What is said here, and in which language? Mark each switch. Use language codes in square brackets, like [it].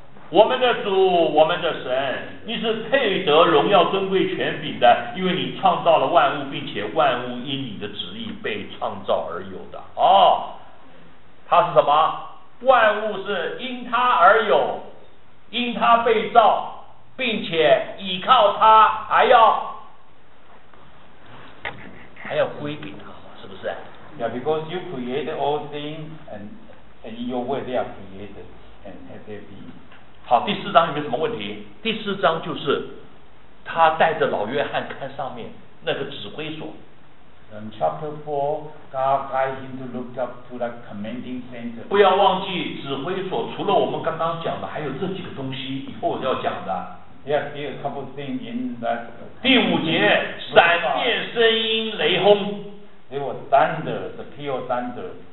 [zh] 我们的主，我们的神，你是配得荣耀尊贵权柄的，因为你创造了万物，并且万物因你的旨意被创造而有的。哦，他是什么？万物是因他而有，因他被造，并且依靠他，还要归给他，是不是？ [en] Yeah, because you created all things and in your way they are created and have their being. [zh] 好，第四章有没有什么问题？第四章就是他带着老约翰看上面那个指挥所。 [en] In chapter four, God guided him to look up to that commanding center. [zh] 不要忘记指挥所，除了我们刚刚讲的，还有这几个东西，以后我要讲的。 [en] Yeah, there are a couple things in that. [zh] 第五节，闪电声音雷轰。 [en] There was thunder, the peal of thunder.